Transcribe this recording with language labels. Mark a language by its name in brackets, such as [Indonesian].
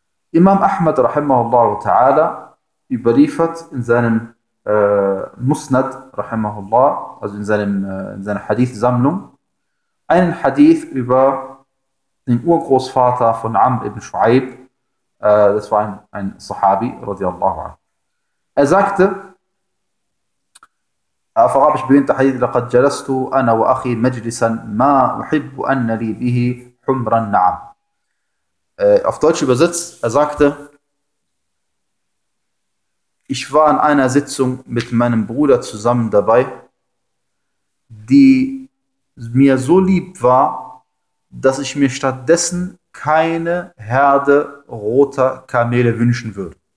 [German] Imam Ahmad, rahimahullah ta'ala, überliefert in seinem Musnad, rahimahullah, also in seiner Hadith-Sammlung, einen Hadith über den Urgroßvater von Amr ibn Shu'aib, Das war ein Sahabi, radiallahu anhu. Er sagte, auf Arabisch beginnt der Hadith, [Arabic] لقد جلست أنا وأخي مجلسا ما أحب أن لي به حمرا نعم. [German] Auf Deutsch übersetzt, er sagte, ich war in einer Sitzung mit meinem Bruder zusammen dabei, die mir so lieb war, dass ich mir stattdessen keine Herde roter Kamele wünschen würde.